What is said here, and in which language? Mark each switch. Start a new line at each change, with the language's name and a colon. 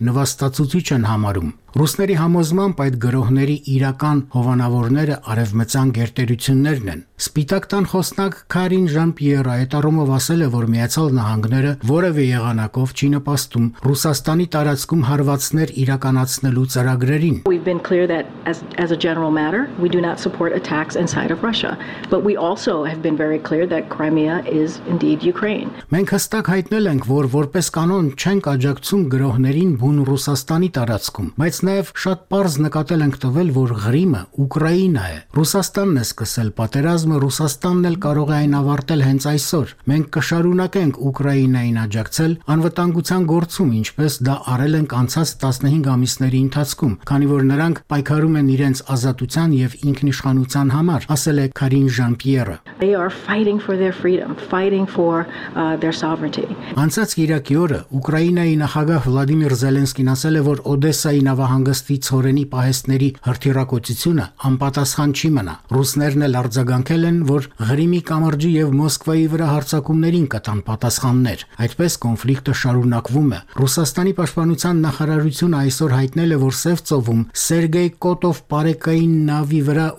Armenian: նվաստացուցիչ են համարում։ Ռուսների համոզմամբ այդ գրոհների իրական հովանավորները արևմտյան գերտերություններն են։ Սպիտակ տան խոսնակ Քարին Ժան-Պիեր Այտարումով ասել է, որ Միացյալ Նահանգները որևէ եղանակով չի նպաստում Ռուսաստանի տարածքում հարվածներ իրականացնելու ծրագրերին։
English: We've been clear that as a general matter, we do not support attacks inside of Russia, but we also have been very clear that Crimea is indeed Ukraine.
Armenian: Մենք հստակ հայտնել ենք, որ որպես կանոն չենք աջակցում գրոհներին բուն Ռուսաստանի տարածքում, բայց նաև շատ պարզ նկատել ենք տվել, որ Ղրիմը Ուկրաինա է։ Ռուսաստանն է սկսել պատերազմը, Ռուսաստանն էլ կարող է այն ավարտել հենց այսօր։ Մենք կշարունակենք Ուկրաինային աջակցել անվտանգության գործում, ինչպես դա արել ենք անցած 15 ամիսների ընթացքում, քանի որ նրանք պայքարում են իրենց ազատության և ինքնիշխանության համար, ասել է Քարին Ժան-Պիերը։
English: They are fighting for their freedom, fighting for their sovereignty.
Armenian: Անցած երկու օրը Ուկրաինայի նախագահ Վլադիմիր Զելենսկին ասել է, որ Օդեսա նավահանգստի ցորենի պահեստների հրթիռակոծությունը անպատասխան չի մնա։ Ռուսներն էլ արձագանքել են, որ Ղրիմի կամրջի և Մոսկվայի վրա հարձակումներին կտան պատասխաններ։ Այդպես կոնֆլիկտը շարունակվում է։ Ռուսաստանի պաշտպանության նախարարությունը այսօր հայտնել է, որ Սևծովում Սերգեյ Կոտով Պարեկային նավի վրա